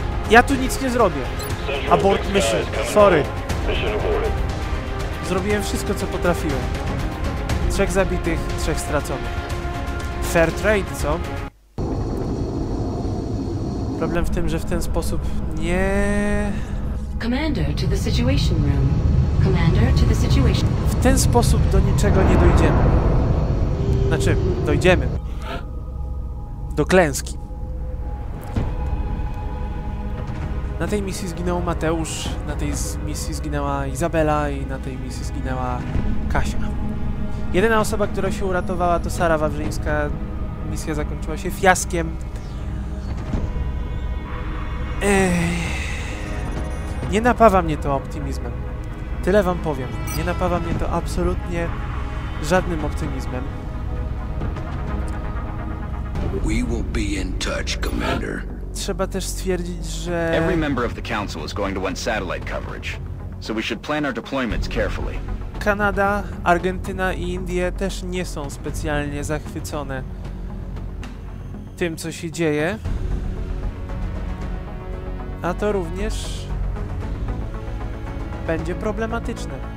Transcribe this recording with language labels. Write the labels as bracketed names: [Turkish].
[Polish] Ja tu nic nie zrobię. [English] Abort mission, sorry. [Polish] Zrobiłem wszystko, co potrafiłem. 3 zabitych, 3 straconych. [English] Fair trade, [Polish] co? Problem w tym, że w ten sposób nie... [English] Commander to the situation room. Commander to the situation. [Polish] W ten sposób do niczego nie dojdziemy. Znaczy, dojdziemy. Do klęski. Na tej misji zginął Mateusz, na tej misji zginęła Izabela i na tej misji zginęła Kasia. Jedyna osoba, która się uratowała, to Sara Wawrzyńska. Misja zakończyła się fiaskiem. Nie napawa mnie to optymizmem. Tyle wam powiem. Nie napawa mnie to absolutnie żadnym optymizmem. [English] We will be in touch, Commander. [Polish] Trzeba też stwierdzić, że... [English] Every member of the council is going to want satellite coverage. So we should plan our deployments carefully. [Polish] Kanada, Argentyna i Indie też nie są specjalnie zachwycone tym, co się dzieje. A to również będzie problematyczne.